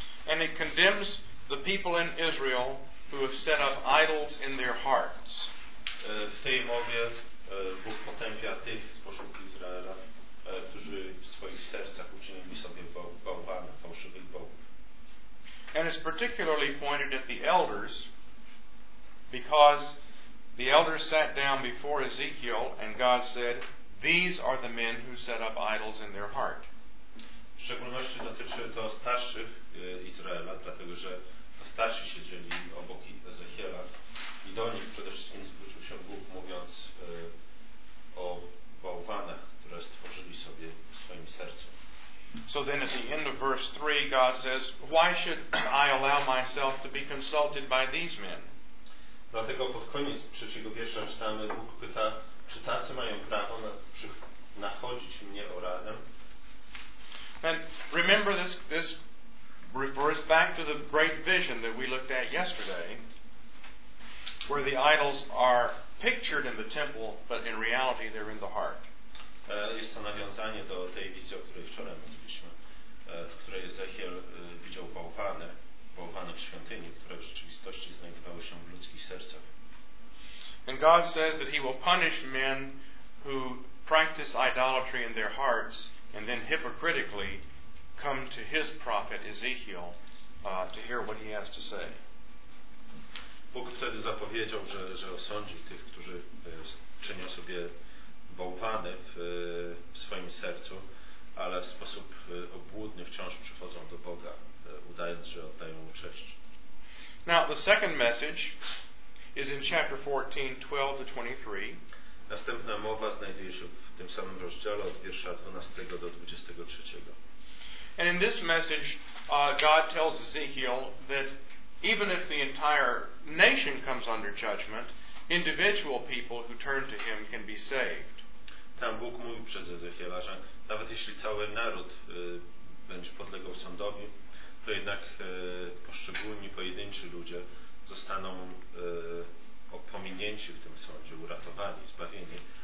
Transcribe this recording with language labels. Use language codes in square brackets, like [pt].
[en] And it condemns the people in Israel who have set up idols in their hearts. [pl] W tej mowie Bóg potępia tych spośród Izraela, którzy w swoich sercach uczynili sobie bałwany, fałszywych bogów. [en] And it's particularly pointed at the elders, because the elders sat down before Ezekiel and God said, these are the men who set up idols in their heart. [pl] W szczególności dotyczy to starszych Izraela, dlatego że to starsi siedzieli obok Ezechiela i do nich przede wszystkim zwrócił się Bóg, mówiąc o bałwanach, które stworzyli sobie w swoim sercu. [en] So then at the end of verse 3 God says, why should I allow myself to be consulted by these men? [pl] Dlatego pod koniec trzeciego wiersza czytamy, Bóg pyta, czy tacy mają prawo nachodzić mnie o radę? [en] And remember this refers back to the great vision that we looked at yesterday, where the idols are pictured in the temple, but in reality they're in the heart. [pl] Jest to nawiązanie do tej wizji, o której wczoraj mówiliśmy, w której Ezechiel widział bałwany w świątyni, które w rzeczywistości znajdowały się w ludzkich sercach. [en] And God says that he will punish men who practice idolatry in their hearts and then hypocritically come to his prophet Ezekiel to hear what he has to say. [pl] Bóg wtedy zapowiedział, że osądzi tych, którzy czynią sobie bałwany w swoim sercu, ale w sposób obłudny wciąż przychodzą do Boga, udając, że oddają mu cześć. [en] Now the second message is in chapter 14, 12-23. [pl] Następna mowa znajduje się w tym samym rozdziale od wiersza 12 do 23. [en] And in this message God tells Ezekiel that even if the entire nation comes under judgment, individual people who turn to him can be saved. [pl] Tam Bóg mówi przez Ezechiela, że nawet jeśli cały naród będzie podlegał sądowi, to jednak poszczególni, pojedynczy ludzie zostaną opominięci w tym sądzie, uratowani, zbawieni.